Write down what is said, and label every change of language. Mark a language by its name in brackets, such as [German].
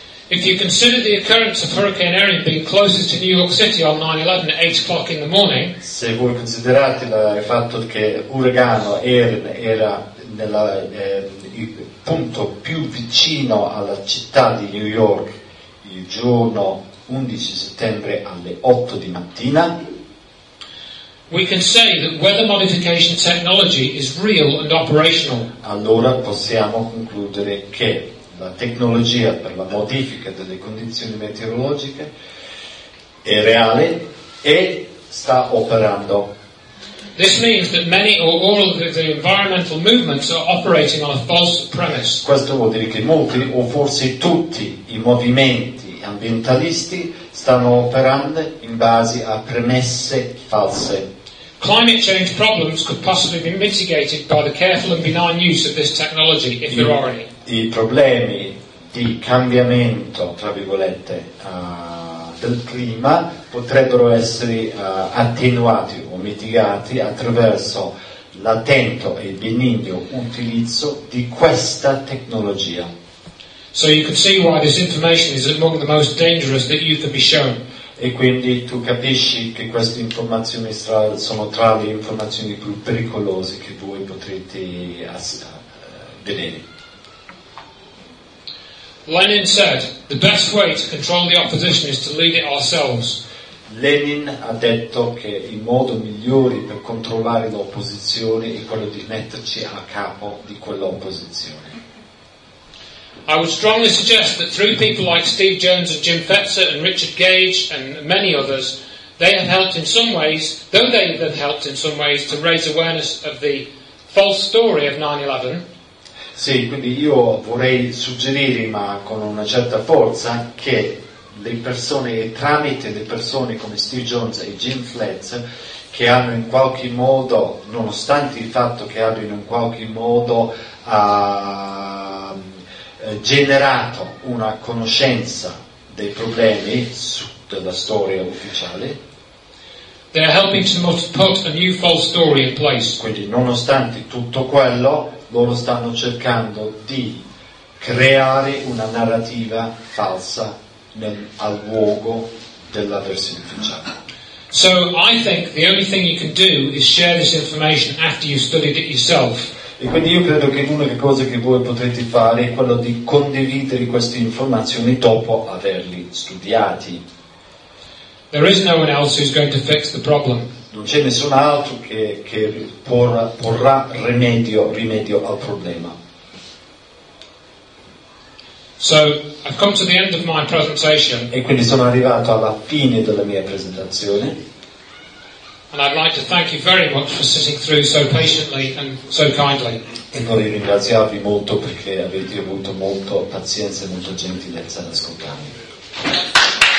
[English] If you consider the occurrence of Hurricane Erin being closest to New York City on 9/11 at 8 o'clock in the morning, [Italian] se voi considerate il fatto che uragano Erin era nella il punto più vicino alla città di New York il giorno 11 settembre alle 8 di mattina, [English] we can say that weather modification technology is real and operational. [Italian] Allora possiamo concludere che la tecnologia per la modifica delle condizioni meteorologiche è reale e sta operando. [English] This means that many or all of the environmental movements are operating on a false premise. [Italian] Questo vuol dire che molti o forse tutti i movimenti ambientalisti stanno operando in base a premesse false. [English] Climate change problems could possibly be mitigated by the careful and benign use of this technology, if there are any. [Italian] I problemi di cambiamento, tra virgolette, del clima potrebbero essere attenuati o mitigati attraverso l'attento e benigno utilizzo di questa tecnologia. [English] So you can see why this information is among the most dangerous that you can be shown. [Italian] E quindi tu capisci che queste informazioni sono tra le informazioni più pericolose che voi potrete vedere. [English] Lenin said, "The best way to control the opposition is to lead it ourselves." [Italian] Lenin ha detto che il modo migliore per controllare l'opposizione è quello di metterci a capo di quell'opposizione. [English] I would strongly suggest that through people like Steve Jones and Jim Fetzer and Richard Gage and many others, they have helped in some ways, though they have helped in some ways to raise awareness of the false story of 9/11. [Italian] Sì, quindi io vorrei suggerire, ma con una certa forza, che le persone, tramite le persone come Steve Jones e Jim Fletcher, che hanno in qualche modo, nonostante il fatto che abbiano in qualche modo generato una conoscenza dei problemi della storia ufficiale, [English] they are helping to put a new false story in place. [Italian] Quindi nonostante tutto quello, loro stanno cercando di creare una narrativa falsa al luogo della versione ufficiale. [English] So I think the only thing you can do is share this information after you've studied it yourself. [Italian] E quindi io credo che l'unica cosa che voi potrete fare è quello di condividere queste informazioni dopo averli studiati. [English] There is no one else who's going to fix the problem. [Italian] Non c'è nessun altro che porrà rimedio al problema. [English] So, I've come to the end of my presentation. [Italian] E quindi sono arrivato alla fine della mia presentazione. [English] And I'd like to thank you very much for sitting through so patiently and so kindly. [Italian] E vorrei ringraziarvi molto perché avete avuto molto pazienza e molta gentilezza ad ascoltarmi.